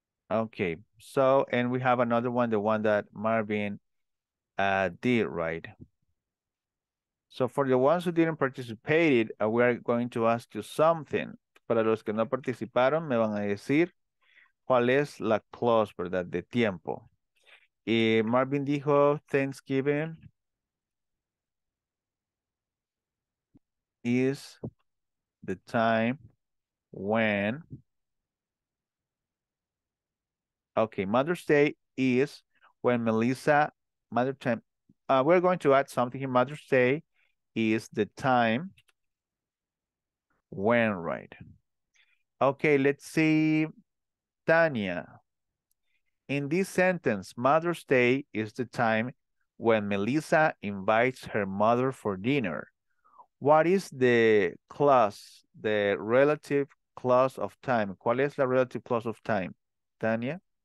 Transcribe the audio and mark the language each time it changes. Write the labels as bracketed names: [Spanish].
[English] Okay, so, and we have another one, the one that Marvin did, right? So for the ones who didn't participate, we are going to ask you something. [Spanish] Para los que no participaron, me van a decir cuál es la clause, ¿verdad? De tiempo. Y Marvin dijo [English] Thanksgiving is the time when... Okay, Mother's Day is when Melissa, Mother Time, we're going to add something here. Mother's Day is the time when, right? Okay, let's see, Tania. In this sentence, Mother's Day is the time when Melissa invites her mother for dinner. What is the clause, the relative clause of time? [Spanish] ¿Cuál es la [English] relative clause of time, Tania?